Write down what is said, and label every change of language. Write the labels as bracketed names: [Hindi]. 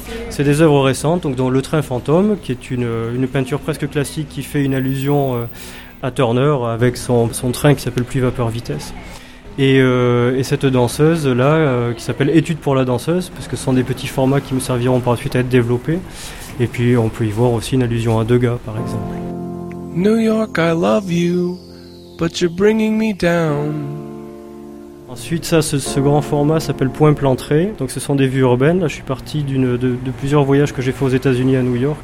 [French] C'est des œuvres récentes, donc dans Le Train Fantôme, qui est une peinture presque classique qui fait une allusion à Turner avec son train qui s'appelle Pluie, Vapeur, Vitesse. Et cette danseuse-là, qui s'appelle Étude pour la danseuse, parce que ce sont des petits formats qui me serviront par la suite à être développés. Et puis on peut y voir aussi une allusion à Degas, par exemple. [English] New York, I love you, but you're bringing me down. [French] Ensuite, ça, ce grand format s'appelle Point Plantré. Donc, ce sont des vues urbaines. Là, je suis parti de plusieurs voyages que j'ai fait aux États-Unis à New York.